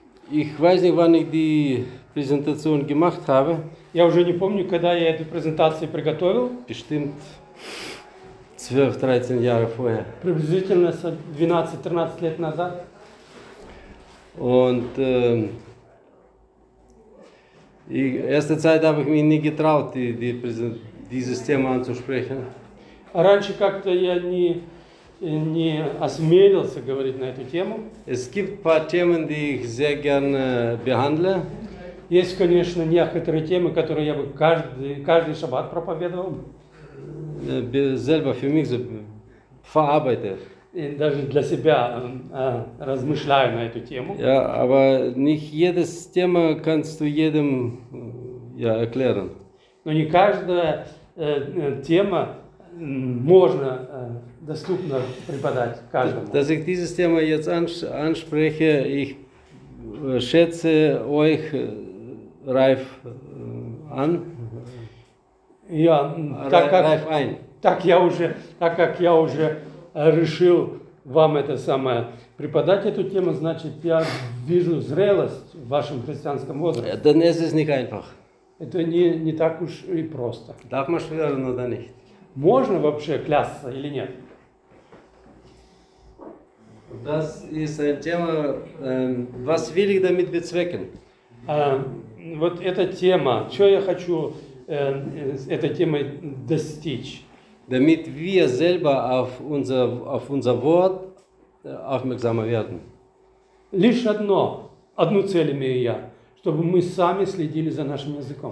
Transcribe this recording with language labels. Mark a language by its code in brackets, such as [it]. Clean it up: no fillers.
[de] Ich weiß nicht, wann ich die Präsentation gemacht habe. [ru] Я уже не помню, когда я эту презентацию приготовил. [de] Bestimmt 12-13 Jahre vorher. [ru] Приблизительно 12-13 лет назад. [de] Und erste Zeit habe ich mich nie getraut, dieses Thema anzusprechen. [ru] Раньше как-то я не осмелился говорить на эту тему. [de] Es gibt paar Themen, die ich sehr gerne behandle. [ru] Есть, конечно, некоторые темы, которые я бы каждый шаббат проповедовал. [de] Selber für mich so verarbeitet. [ru] Даже для себя размышляю на эту тему. [de] Ja, aber nicht jede Thema kannst du jedem erklären. [ru] Но не каждая тема можно доступно преподать каждому. [de] Dass ich dieses Thema jetzt anspreche, ich schätze euch reif an. Ja, reif ein. [ru] Так я уже решил вам это самое преподать эту тему, значит, я вижу зрелость в вашем христианском возрасте. [de] Dann ist es nicht einfach. [ru] Это не так уж и просто. [de] Darf man schwören oder nicht? [ru] Можно вообще клясться или нет? [de] Das ist ein Thema, was will ich damit bezwecken? [ru] Вот эта тема, что я хочу этой темой достичь? [de] Damit wir selber auf unser Wort aufmerksamer werden. [ru] Лишь одну цель имею я, чтобы мы сами следили за нашим языком.